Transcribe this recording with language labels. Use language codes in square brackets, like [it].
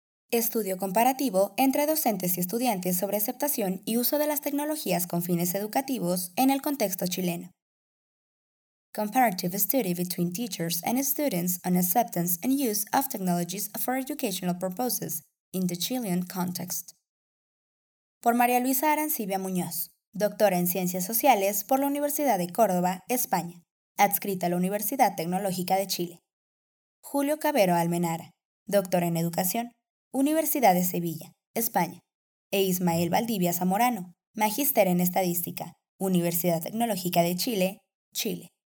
[es] Estudio comparativo entre docentes y estudiantes sobre aceptación y uso de las tecnologías con fines educativos en el contexto chileno. [en] Comparative study between teachers and students on acceptance and use of technologies for educational purposes in the Chilean context. [es] Por María Luisa Arancibia Muñoz, doctora en Ciencias Sociales por la Universidad de Córdoba, España, adscrita a la Universidad Tecnológica de Chile. Julio Cabero Almenara, doctor en Educación, Universidad de Sevilla, España. E Ismael Valdivia Zamorano, magíster en Estadística, Universidad Tecnológica de Chile, Chile.